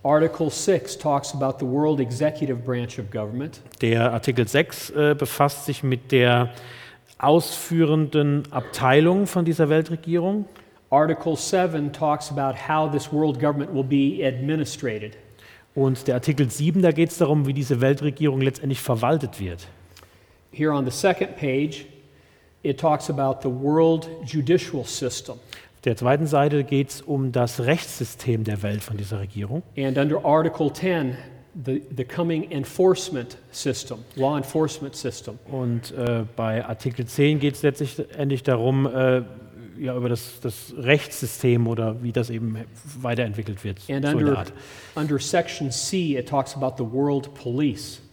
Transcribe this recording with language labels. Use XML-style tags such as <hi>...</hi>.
<en>Article 6 talks about the world executive branch of government.</en> <de>Der Artikel 6 befasst sich mit der ausführenden Abteilung von dieser Weltregierung.</de> <en>Article 7 talks about how this world government will be administrated.</en> <de>Und der Artikel 7, da geht es darum, wie diese Weltregierung letztendlich verwaltet wird.</de> <en>Here on the second page, it talks about the world judicial system.</en> <de>Der zweiten Seite geht es um das Rechtssystem der Welt von dieser Regierung.</de> <en>And under Article 10, the coming enforcement system, law enforcement system.</en> <de>Und bei Artikel 10 geht es letztendlich darum, über das Rechtssystem oder wie das eben weiterentwickelt wird.</de> <en>And under Section C, it talks about the world police.</en>